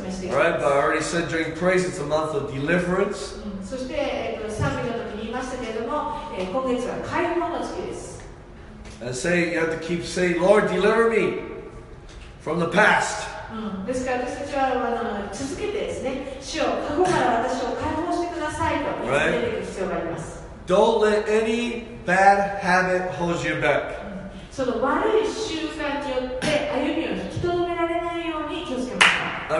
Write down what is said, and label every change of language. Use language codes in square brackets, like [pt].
[en] Right, but I already said during praise it's a month of deliverance. [ja] そして、賛美の時に言いましたけれども、今月は解放の月です。 [en] And say, you have to keep saying, Lord, deliver me from the past. [ja] ですから私たちは続けてですね、主よ、過去から私を解放してくださいと言っている必要があります。 [en] Don't let any bad habit hold you back. [ja] その悪い習慣によって歩みを引き止められないように気をつけましょう。